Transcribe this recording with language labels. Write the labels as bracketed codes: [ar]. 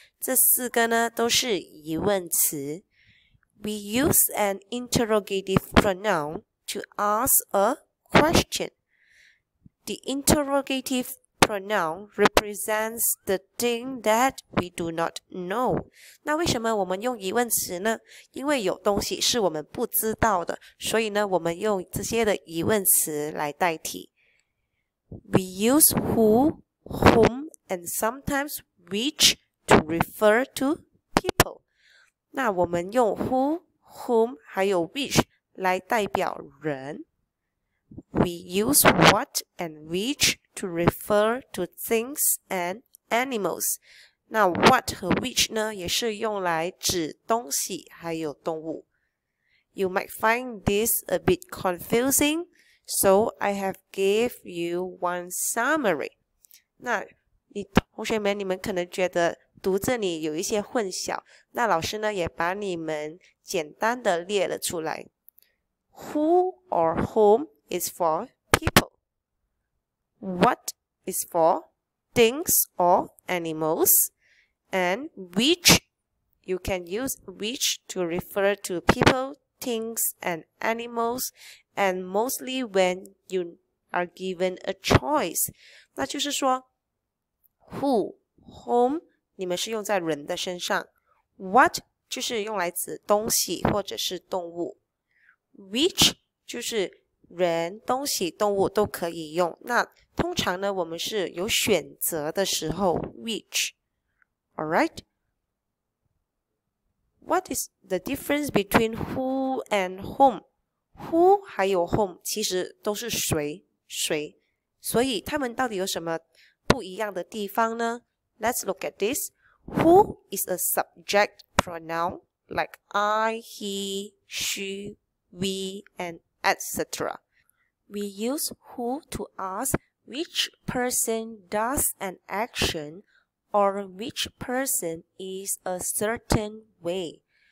[zh] 这四个呢都是疑问词。 [en] We use an interrogative pronoun to ask a question. The interrogative pronoun represents the thing that we do not know. [zh] 那为什么我们用疑问词呢？因为有东西是我们不知道的，所以呢我们用这些的疑问词来代替。 [en] We use who,whom, and sometimes which to refer to people. [zh] 那我们用 who, whom, 还有 which 来代表人。 [en] We use what and which to refer to things and animals. [zh] 那 what 和 which 呢也是用来指东西还有动物。 [en] You might find this a bit confusing, so I have gave you one summary. [zh] 那你同学们，你们可能觉得读这里有一些混淆，那老师呢也把你们简单的列了出来。 [en] Who or whom is for people? What is for things or animals? And which you can use which to refer to people, things, and animals, and mostly when you are given a choice. [zh] 那就是说。Who, whom, 你们是用在人的身上。 What, 就是用来指东西或者是动物。 Which, 就是人、东西、动物都可以用。那通常呢，我们是有选择的时候 ,which. Alright? [en] What is the difference between who and whom? [zh] Who 还有 whom 其实都是谁、谁。所以他们到底有什么不一样的地方呢? [en] Let's look at this. Who is a subject pronoun like I, he, she, we, and etc. We use who to ask which person does an action or which person is a certain way.